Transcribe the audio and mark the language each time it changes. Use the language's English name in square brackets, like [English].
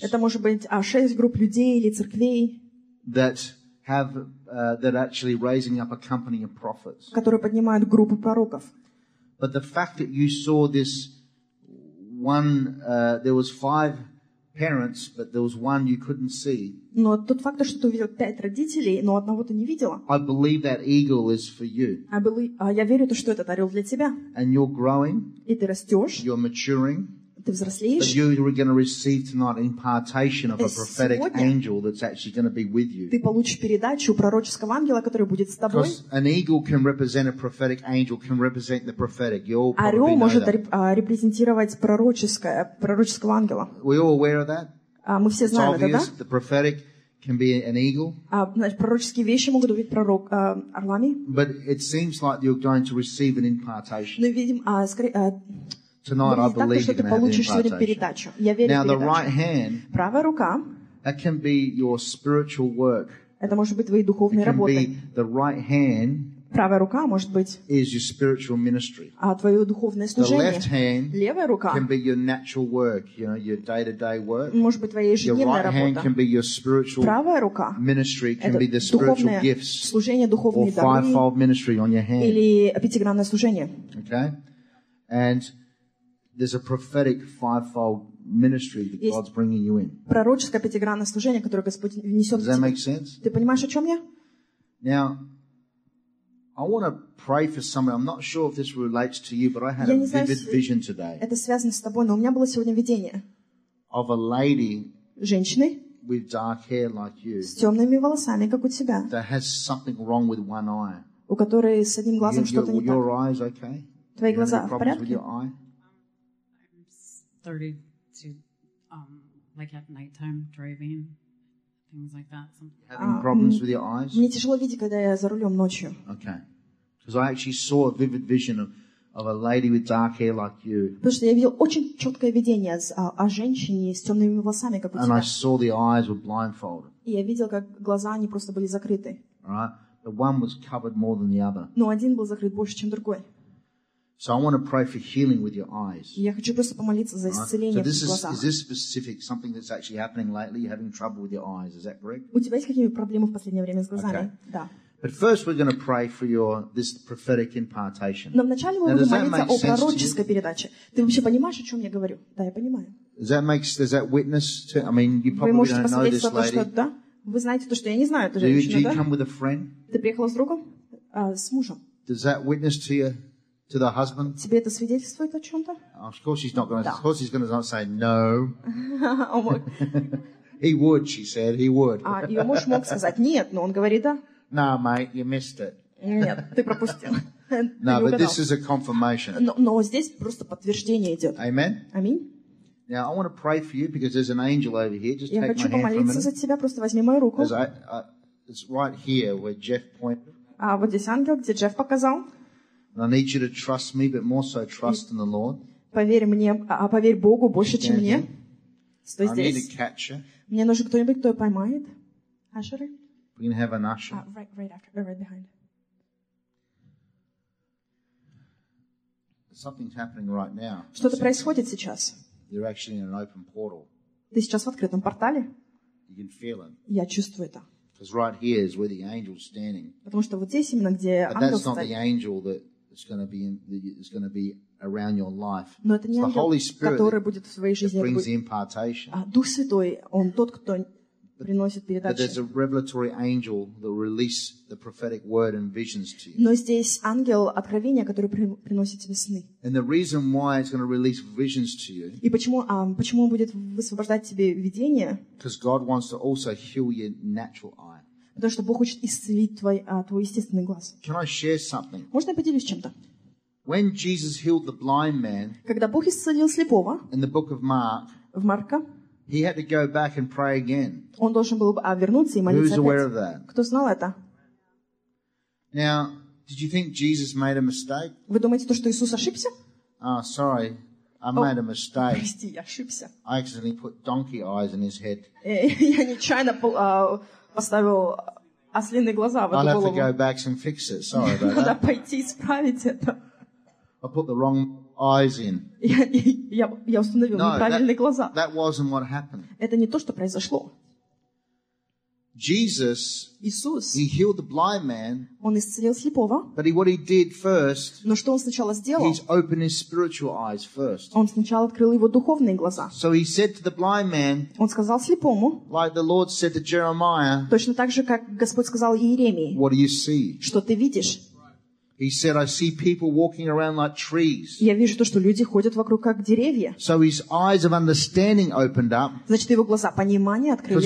[Russian] Это может быть шесть групп людей или церквей. [English] That actually raising up a company of prophets. [Russian] Которые поднимают группу пророков. [English] But the fact that you saw this one, there was five parents, but there was one you couldn't see. [Russian] Но тот факт, что ты увидел пять родителей, но одного ты не видела. [English] I believe that eagle is for you. [Russian] Я верю то, что этот орел для тебя. [English] And you're growing. [Russian] И ты растешь. [English] You're maturing. [Russian] Ты взрослеешь. [English] But you are going to receive tonight impartation of a prophetic angel that's actually going to be with you. [Russian] Ты получишь передачу пророческого ангела, который будет с тобой. [English] Because an eagle can represent a prophetic angel, can represent the prophetic. You all probably [Russian] Орел [English] know [Russian] может [English] that. [Russian] Репрезентировать пророческого ангела. [English] We all aware of that? [Russian] Мы все знаем [English] it's [Russian] это, [English] obvious. [Russian] Да? [English] The prophetic can be an eagle. [Russian] Значит, пророческие вещи могут быть орлами. [English] But it seems like you're going to receive an impartation. [Russian] Мы видим, скорее. [English] Tonight, I believe [Russian] так, [English] you're going to have the impartation. Now, [Russian] передачу. [English] The right hand, [Russian] правая рука, [English] that can be your spiritual work. [Russian] Это может быть твои духовные [English] it can [Russian] работы. [English] Be the right hand, [Russian] правая рука, может быть, [English] is your spiritual ministry. [Russian] А твое духовное служение. [English] The left hand, [Russian] левая рука, [English] can be your natural work, you know, your day-to-day work. [Russian] Может быть, твоя ежедневная работа. [English] Your right hand can be your spiritual [Russian] правая рука, [English] ministry, can be the spiritual gifts, [Russian] служение, духовные [English] or five-fold ministry on your hand. [Russian] Или пятигранное служение. [English] Okay, and there's a prophetic five-fold ministry that [Russian] Есть [English] God's bringing you in. [Russian] Пророческое пятигранное служение, которое Господь внесет в тебя. [English] Does that make sense? [Russian] Ты понимаешь, о чем я? [English] Now, I want to pray for somebody. I'm not sure if this relates to you, but I had [Russian] я [English] a vivid vision today. [Russian] Это связано с тобой, но у меня было сегодня видение. [English] Of a lady. [Russian] Женщины. [English] With dark hair like you. [Russian] С темными волосами, как у тебя. [English] That has something wrong with one eye. [Russian] У которой с одним глазом что-то не так. [English] Your eyes okay? [Russian] Твои глаза в порядке? [English] With your eye? Started to like at nighttime driving, things like that. Having problems with your eyes? [Russian] Мне тяжело видеть, когда я за рулем ночью. [English] Okay, because I actually saw a vivid vision of a lady with dark hair like you. [Russian] Потому что я видел очень четкое видение о женщине с темными волосами, как у тебя. [English] And I saw the eyes were blindfolded. [Russian] И я видел, как глаза они просто были закрыты. [English] Right, but one was covered more than the other. [Russian] Но один был закрыт больше, чем другой. [English] So I want to pray for healing with your eyes. [Russian] Я хочу просто помолиться за исцеление в глазах. [English] Is this specific something that's actually happening lately? You're having trouble with your eyes, is that correct? [Russian] У тебя есть какие-то проблемы в последнее время с глазами? Да. [English] But first we're going to pray for this prophetic impartation. [Russian] Но вначале мы будем молиться о пророческой передаче. Ты вообще понимаешь, о чем я говорю? Да, я понимаю. [English] Does that witness to? I mean, you probably don't know this lady. [Russian] Вы можете посмотреть, что да? Вы знаете то, что я не знаю, эту женщину, да? [English] Did you come with a friend? [Russian] Ты приехала с другом? С мужем. [English] Does that witness to you? To the husband? [Russian] Тебе это свидетельствует о чем-то? [English] Of course he's not going to. Of course he's going to not say no. Oh my. He would, she said. He would. [Russian] Ее муж мог сказать нет, но он говорит да. [English] No, mate, you missed it. [Russian] Нет, ты пропустил. [English] No, but this is a confirmation. [Russian] Но здесь просто подтверждение идет. [English] Amen. [Russian] Аминь. [English] Now I want to pray for you because there's an angel over here. Just take my hand. [Russian] Я хочу помолиться за тебя, просто возьми мою руку. [English] It's right here where Jeff pointed. [Russian] Вот здесь ангел, где Джефф показал. [English] And I need you to trust me, but more so trust in the Lord. [Russian] Поверь мне, поверь Богу больше, чем мне. Стой [English] I [Russian] здесь. [English] Need a catcher. [Russian] Мне нужен кто-нибудь, кто поймает. [English] Usher. We're gonna have an usher. Right after. Or right behind. Something's happening right now. [Russian] Что-то происходит сейчас. [English] You're actually in an open portal. [Russian] Ты сейчас в открытом портале. [English] You can feel it. [Russian] Я чувствую это. [English] Because right here is where the angel's standing. [Russian] Потому что вот здесь именно где ангел стоит. [English] But that's not the angel that is going to be in, that is going to be around your life. [Russian] Но это не ангел, [English] the Holy Spirit [Russian] который будет в своей жизни. [English] That brings the impartation. [Russian] А Дух Святой, он тот, кто приносит передачи. [English] But there's a revelatory angel that release the prophetic word and visions to you. [Russian] Но здесь ангел откровения, который приносит тебе сны. [English] And the reason why it's going to release visions to you. [Russian] И почему он будет высвобождать тебе видения? [English] Because God wants to also heal your natural eye. [Russian] Потому что Бог хочет исцелить твой естественный глаз. [English] Can I share something? [Russian] Можно я поделюсь чем-то? [English] When Jesus healed the blind man. [Russian] Когда Бог исцелил слепого. [English] In the book of Mark. [Russian] В Марка. [English] He had to go back and pray again. [Russian] Он должен был вернуться и молиться. [English] Who's aware of that? [Russian] Кто знал это? [English] Now, did you think Jesus made a mistake? [Russian] Вы думаете, что Иисус ошибся? [English] Oh, sorry, I made a mistake. [Russian] Прости, я ошибся. [English] I accidentally put donkey eyes in his head. [Russian] Я нечаянно поставил ослиные глаза в эту голову. [English] I'll have to go back and fix it. Sorry about that. [Russian] Надо пойти исправить это. [English] I put the wrong eyes in. [Russian] Я установил неправильные глаза. [English] That wasn't what happened. [Russian] Это не то, что произошло. [English] Jesus, [Russian] Иисус, [English] he healed the blind man. [Russian] Он исцелил слепого. [English] But what he did first? [Russian] Но что он сначала сделал? [English] He opened his spiritual eyes first. [Russian] Он сначала открыл его духовные глаза. [English] So he said to the blind man. [Russian] Он сказал слепому. [English] Like the Lord said to Jeremiah. [Russian] Точно так же, как Господь сказал Иеремии. [English] What do you see? [Russian] Что ты видишь? [English] He said, "I see people walking around like trees." [Russian] Я вижу то, что люди ходят вокруг как деревья. [English] So his eyes of understanding opened up. [Russian] Значит, его глаза понимания открылись.